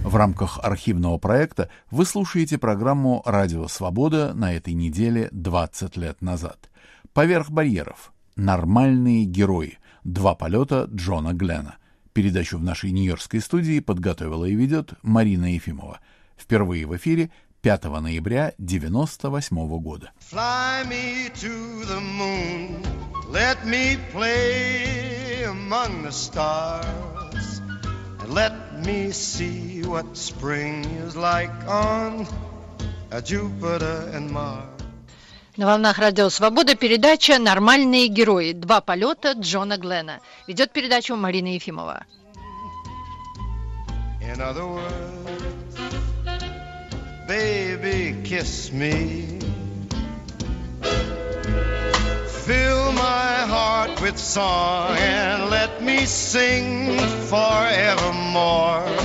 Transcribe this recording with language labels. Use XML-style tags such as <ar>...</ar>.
<ru>рамках архивного проекта вы слушаете программу «Радио Свобода» на этой неделе 20 лет назад. «Поверх барьеров. Нормальные герои. Два полета Джона Гленна». Передачу в нашей нью-йоркской студии подготовила и ведет Марина Ефимова. Впервые в эфире 5 ноября 98 года.</ru> <en>Fly me to the moon, let me play among the stars, and let me see what spring is like on Jupiter and Mars.</en> <ru>На волнах Радио Свобода передача «Нормальные герои. Два полета Джона Гленна». Ведет передачу Марина Ефимова.</ru> <en>In other words, baby, kiss me. Fill my heart with song and let me sing forevermore.</en>